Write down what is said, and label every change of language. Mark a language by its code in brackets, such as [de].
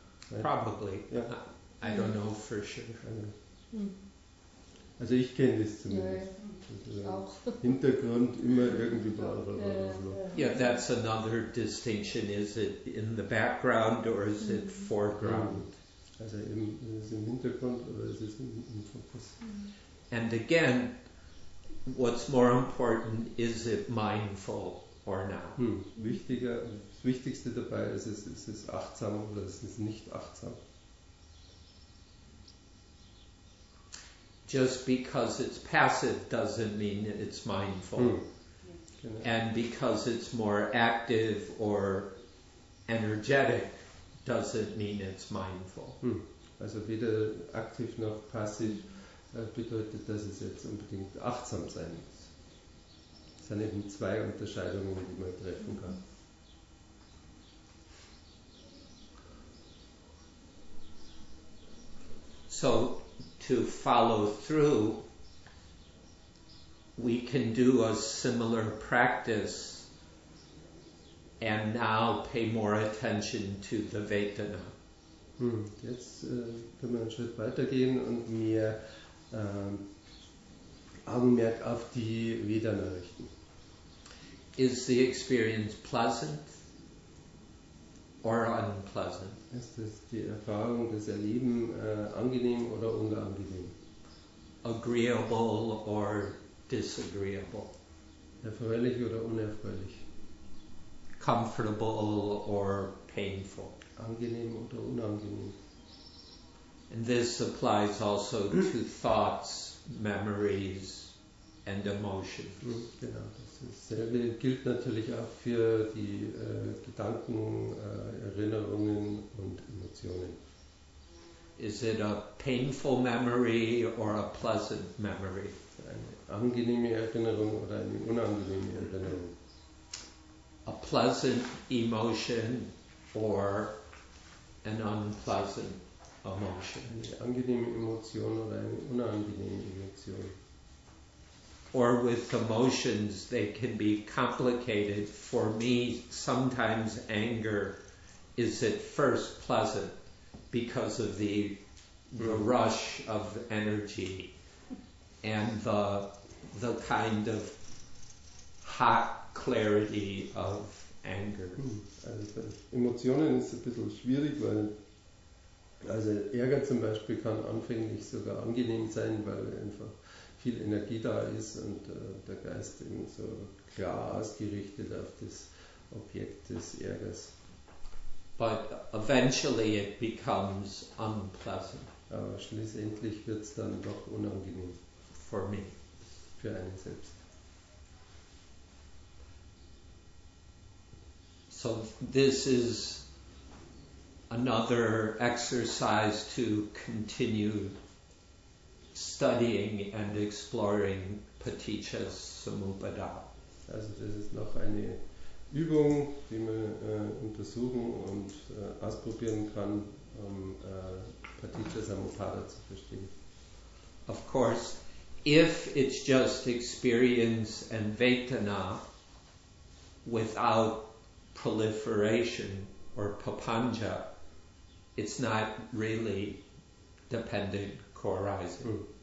[en] Right? Probably. Yeah. I don't know for sure. [de] Also ich kenne das zumindest. Hintergrund immer irgendwie bla bla bla. [en] Yeah, that's another distinction. Is it in the background or is it foreground? [de] Also ist es im Hintergrund oder ist es im Fokus? [en] And again, what's more important, is it mindful or not? [de] Wichtiger, das Wichtigste dabei ist es achtsam oder ist es nicht achtsam? [en] Just because it's passive doesn't mean it's mindful. Hmm. And because it's more active or energetic doesn't mean it's mindful. [de] Also weder aktiv noch passiv bedeutet, dass es jetzt unbedingt achtsam sein muss. Es sind eben zwei Unterscheidungen, die man treffen kann. [en] So, to follow through, we can do a similar practice and now pay more attention to the Vedana. [de] Jetzt können wir einen Schritt weitergehen und mehr Augenmerk auf die Vedana richten. [en] Is the experience pleasant or unpleasant? [de] Ist das die Erfahrung, das Erleben angenehm oder unangenehm? [en] Agreeable or disagreeable? [de] Erfreulich oder unerfreulich? [en] Comfortable or painful? [de] Angenehm oder unangenehm? [en] And this applies also to thoughts, memories and emotions. [de] Genau, dasselbe gilt natürlich auch für die Gedanken, Erinnerungen und Emotionen. [en] Is it a painful memory or a pleasant memory? [de] Eine angenehme Erinnerung oder eine unangenehme Erinnerung? [en] A pleasant emotion or an unpleasant emotion? [de] Eine angenehme Emotion oder eine unangenehme Emotion? [en] Or with emotions, they can be complicated. For me, sometimes anger is at first pleasant because of the rush of energy and the kind of hot clarity of anger. [de] Also Emotionen ist ein bisschen schwierig, weil also Ärger zum Beispiel kann anfänglich sogar angenehm sein, weil einfach viel Energie da ist und der Geist eben so klar ausgerichtet auf das Objekt des Ärgers. [en] But eventually it becomes unpleasant. [de] Aber schließlich wird es dann doch unangenehm. [en] For me. [de] Für einen selbst. [en] So this is another exercise to continue studying and exploring Paticca Samuppada. [de] Also das ist noch eine Übung, die man untersuchen und ausprobieren kann, um Paticca Samuppada zu verstehen. [en] Of course, if it's just experience and vedana without proliferation or papanja, it's not really dependent co-arising.